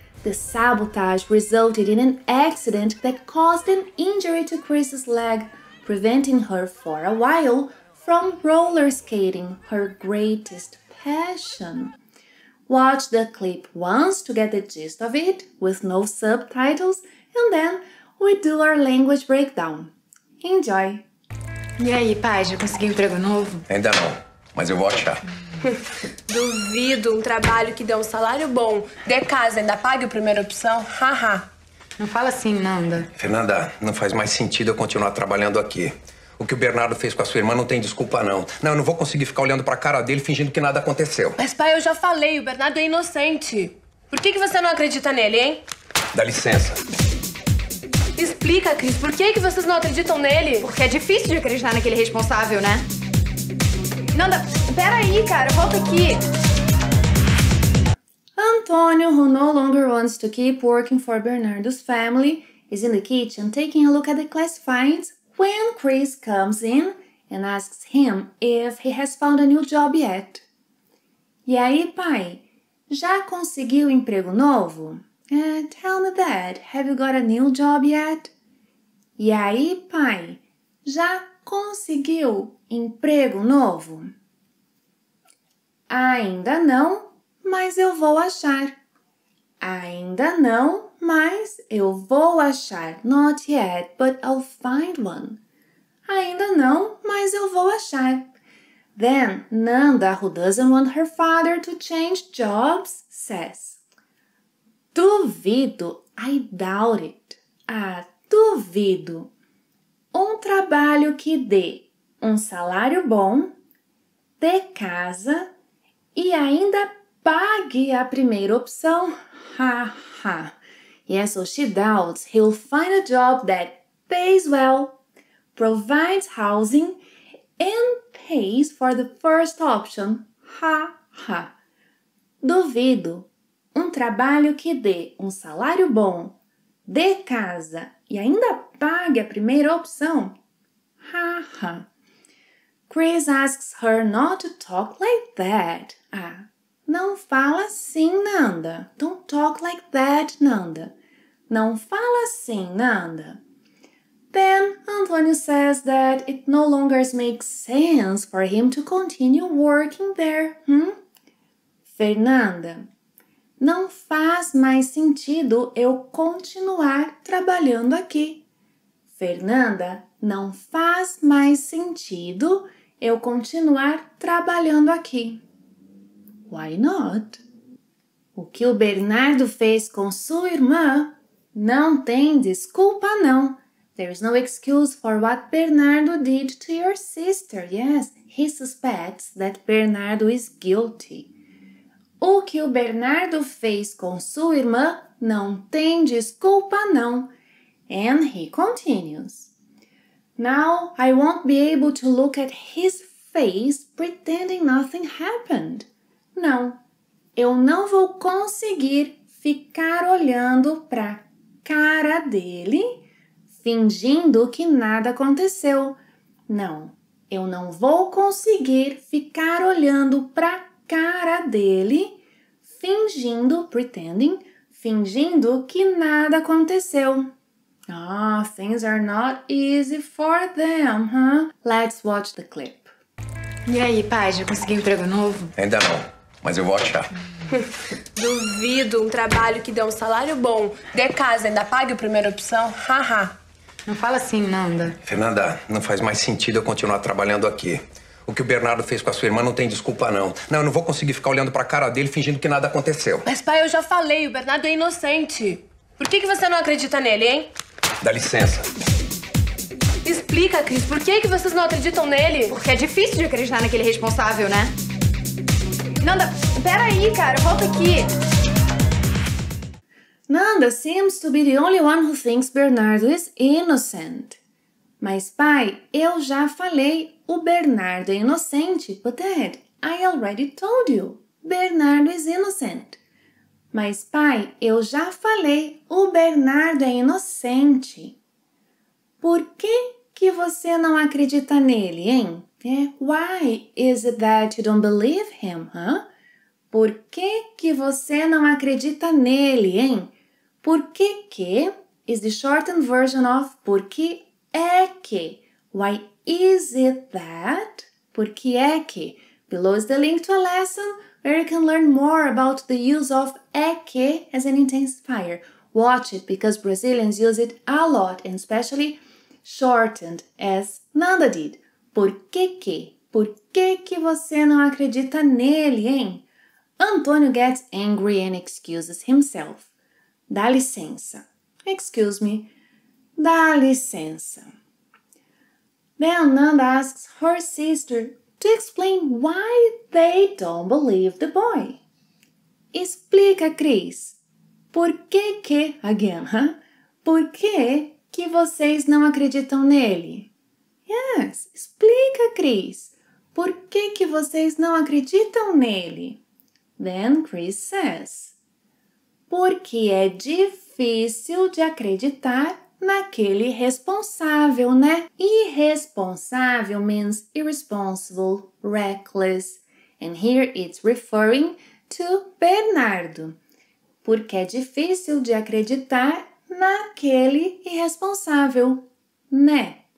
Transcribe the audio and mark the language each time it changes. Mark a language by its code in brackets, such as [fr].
[en] The sabotage resulted in an accident that caused an injury to Chris's leg, preventing her for a while from roller skating, her greatest passion. Watch the clip once to get the gist of it, with no subtitles, and then we do our language breakdown. Enjoy! [pt] E aí, pai, já conseguiu um emprego novo? Ainda não, mas eu vou achar. Duvido, um trabalho que dê um salário bom, dê casa, ainda pague a primeira opção, haha. Não fala assim, Nanda. Fernanda, não faz mais sentido eu continuar trabalhando aqui. O que o Bernardo fez com a sua irmã não tem desculpa, não. Não, eu não vou conseguir ficar olhando pra cara dele fingindo que nada aconteceu. Mas, pai, eu já falei, o Bernardo é inocente. Por que você não acredita nele, hein? Dá licença. Explica, Cris, por que vocês não acreditam nele? Porque é difícil de acreditar naquele responsável, né? Nanda, peraí, cara, volta aqui. [en] Antonio, who no longer wants to keep working for Bernardo's family, is in the kitchen taking a look at the classifieds when Chris comes in and asks him if he has found a new job yet. [pt] E aí, pai, já conseguiu emprego novo? [en] Tell me, Dad, have you got a new job yet? [pt] E aí, pai, já conseguiu emprego novo? Ainda não, mas eu vou achar. Ainda não, mas eu vou achar. [en] Not yet, but I'll find one. [pt] Ainda não, mas eu vou achar. [en] Then Nanda, who doesn't want her father to change jobs, says, Duvido, I doubt it. [pt] Ah, duvido. Um trabalho que dê um salário bom, dê casa e ainda pague a primeira opção. Ha, ha. [en] Yeah, so she doubts he'll find a job that pays well, provides housing, and pays for the first option. [pt] Ha, ha. Duvido. Um trabalho que dê um salário bom, dê casa e ainda pague a primeira opção. Ha, ha. [en] Chris asks her not to talk like that. [pt] Ah, não fala assim, Nanda. [en] Don't talk like that, Nanda. [pt] Não fala assim, Nanda. [en] Then Antonio says that it no longer makes sense for him to continue working there. Hmm? [pt] Fernanda, não faz mais sentido eu continuar trabalhando aqui. Fernanda, não faz mais sentido eu continuar trabalhando aqui. [en] Why not? [pt] O que o Bernardo fez com sua irmã não tem desculpa, não. [en] There is no excuse for what Bernardo did to your sister. Yes, he suspects that Bernardo is guilty. [pt] O que o Bernardo fez com sua irmã não tem desculpa, não. [en] And he continues. Now I won't be able to look at his face pretending nothing happened. [pt] Não, eu não vou conseguir ficar olhando pra cara dele fingindo que nada aconteceu. Não, eu não vou conseguir ficar olhando pra cara dele fingindo, pretending, fingindo que nada aconteceu. [en] Ah, things are not easy for them, huh? Let's watch the clip. [pt] E aí, pai, já conseguiu emprego novo? Ainda não, mas eu vou achar. Duvido um trabalho que dê um salário bom. Dê casa, ainda pague a primeira opção? Haha. Não fala assim, Nanda. Fernanda, não faz mais sentido eu continuar trabalhando aqui. O que o Bernardo fez com a sua irmã não tem desculpa, não. Não, eu não vou conseguir ficar olhando pra cara dele fingindo que nada aconteceu. Mas, pai, eu já falei, o Bernardo é inocente. Por que você não acredita nele, hein? Dá licença. Explica, Cris, por que vocês não acreditam nele? Porque é difícil de acreditar naquele responsável, né? Nanda, peraí, cara, volta aqui. [en] Nanda seems to be the only one who thinks Bernardo is innocent. [pt] Mas, pai, eu já falei, o Bernardo é inocente. [en] But, Dad, I already told you, Bernardo is innocent. [pt] Mas, pai, eu já falei, o Bernardo é inocente. Por que você não acredita nele, hein? [en] Why is it that you don't believe him, huh? [pt] Por que você não acredita nele, hein? [en] Por que is the shortened version of por que é que. Why is it that? [pt] Por que é que. [en] Below is the link to a lesson where you can learn more about the use of é que as an intensifier. Watch it, because Brazilians use it a lot, and especially shortened, as Nanda did. [pt] Por que? Por que você não acredita nele, hein? [en] Antônio gets angry and excuses himself. [pt] Dá licença. [en] Excuse me. [pt] Dá licença. [en] Then Nanda asks her sister to explain why they don't believe the boy. [pt] Explica, Cris. Por que, [en] again, huh? [pt] Por que vocês não acreditam nele? [en] Yes, [pt] explica, Cris. Por que vocês não acreditam nele? [en] Then Cris says, [pt] porque é difícil de acreditar naquele responsável, né? [en] Irresponsável means irresponsible, reckless. And here it's referring to Bernardo. [pt] Porque é difícil de acreditar naquele irresponsável, né?